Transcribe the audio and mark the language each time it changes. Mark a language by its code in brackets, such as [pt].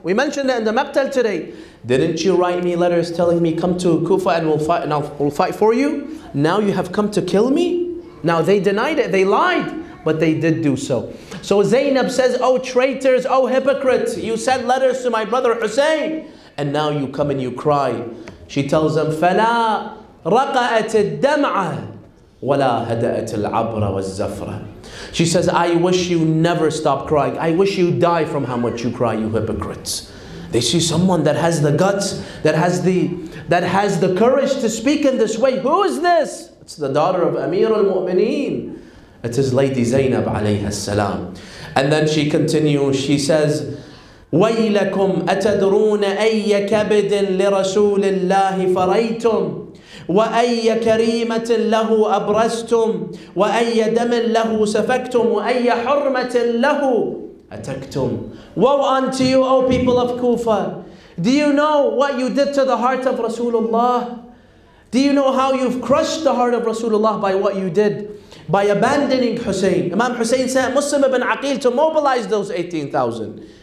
[en] We mentioned it in the Maqtal today. Didn't you write me letters telling me come to Kufa and we'll fight for you? Now you have come to kill me? Now they denied it, they lied, but they did do so. So Zainab says, O traitors, O hypocrites, you sent letters to my brother Hussein, and now you come and you cry. She tells them, [ar] فَلَا رَقَأَتِ الدَّمْعَ وَلَا هَدَأَتِ الْعَبْرَ وَالزَّفْرَ. [en] She says, I wish you never stop crying. I wish you die from how much you cry, you hypocrites. They see someone that has the guts, that has the courage to speak in this way. Who is this? It's the daughter of Amir al-Mu'mineen. It is Lady Zainab alayha salam. And then she continues, she says, [ar] وَيْلَكُمْ أَتَدْرُونَ أَيَّ كَبِدٍ لِرَسُولِ اللَّهِ فَرَيْتُمْ وَأَيَّ كَرِيمَةٍ لَهُ أَبْرَزْتُمْ وَأَيَّ دَمٍ لَهُ سَفَكْتُمْ وَأَيَّ حُرْمَةٍ لَهُ أَتَكْتُمْ. [en] Woe unto you, O people of Kufa! Do you know what you did to the heart of Rasulullah? Do you know how you've crushed the heart of Rasulullah by what you did? By abandoning Hussein. Imam Hussein sent Muslim ibn Aqil to mobilize those 18,000.